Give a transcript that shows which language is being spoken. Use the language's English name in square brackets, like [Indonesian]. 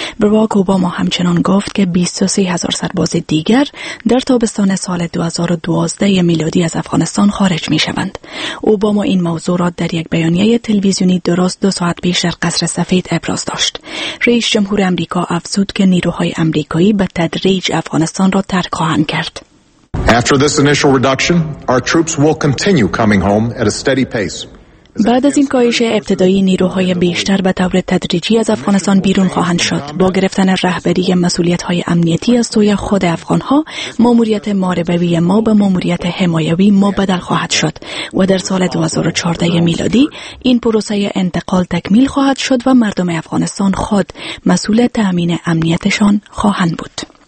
[Persian] باراک اوباما همچنان گفت که 23,000 سرباز دیگر در تابستان سال 2012 میلادی از افغانستان خارج می شوند. اوباما این موضوع را در یک بیانیه تلویزیونی درست 2 ساعت پیش در قصر سفید ابراز داشت. رئیس جمهور امریکا افزود که نیروهای امریکایی به تدریج افغانستان را ترک خواهند کرد. [English] After this initial reduction, our troops will continue coming home at a steady pace. [Persian] بعد از این کاهش ابتدایی، نیروهای بیشتر به طور تدریجی از افغانستان بیرون خواهند شد. با گرفتن رهبری مسئولیت‌های امنیتی از سوی خود افغان‌ها، ماموریت ماربوی ما به ماموریت حمایوی ما بدل خواهد شد و در سال 2014 میلادی این پروسه انتقال تکمیل خواهد شد و مردم افغانستان خود مسئول تأمین امنیتشان خواهند بود.